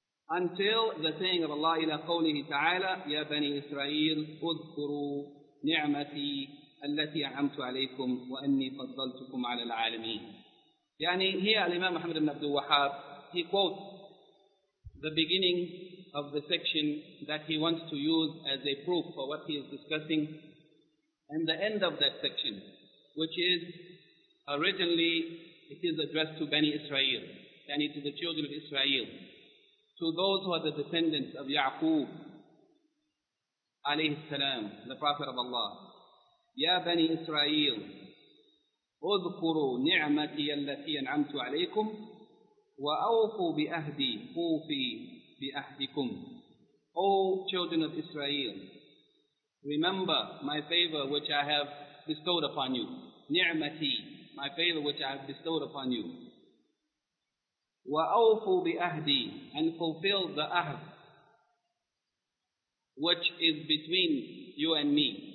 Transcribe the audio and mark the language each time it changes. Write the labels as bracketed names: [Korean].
[English] Until the saying of Allah [Arabic] إلى قوله تعالى يا بني إسرائيل اذكروا نعمتي التي أنعمت عليكم وأني فضلتكم على العالمين. يعني هي [English] الإمام محمد بن عبد الوهاب, he quotes the beginning of the section that he wants to use as a proof for what he is discussing, and the end of that section, which is originally it is addressed to Bani Israel, yani to the children of Israel, to those who are the descendants of Ya'qub alayhi salam, the Prophet of Allah. [Arabic] Ya Bani Israel, اذكروا نعمتي التي أنعمت عليكم وأوفوا بأهدي أوفي بأهدكم. [English] O children of Israel, remember my favor which I have bestowed upon you. نعمتي, my favor which I have bestowed upon you. [Arabic] وَأَوْفُ بِأَهْدِي, [English] and fulfill the ahd which is between you and me.